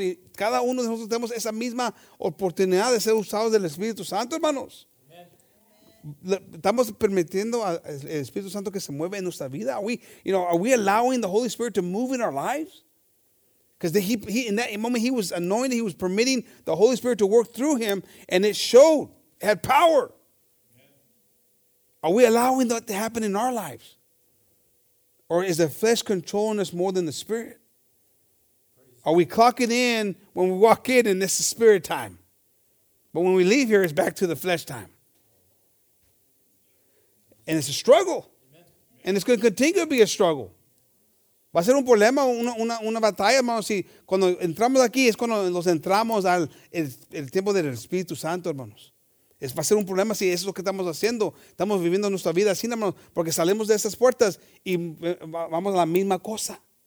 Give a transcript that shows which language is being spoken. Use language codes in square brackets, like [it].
[es] Y cada uno de nosotros tenemos esa misma oportunidad de ser usados del Espíritu Santo, hermanos. Estamos permitiendo al Espíritu Santo que se mueva en nuestra vida. [en] Are we allowing the Holy Spirit to move in our lives? Because he in that moment he was anointed, he was permitting the Holy Spirit to work through him, and it showed, it had power. Are we allowing that to happen in our lives? Or is the flesh controlling us more than the Spirit? Are we clocking in when we walk in and this is Spirit time? But when we leave here, it's back to the flesh time. And it's a struggle. And it's going to continue to be a struggle. [es] Va a ser un problema, una batalla, hermanos. Si cuando entramos aquí, es cuando nos entramos al el tiempo del Espíritu Santo, hermanos. Es, va a ser un problema si eso es lo que estamos haciendo. Estamos viviendo nuestra vida así, hermanos, porque salimos de esas puertas y vamos a la misma cosa.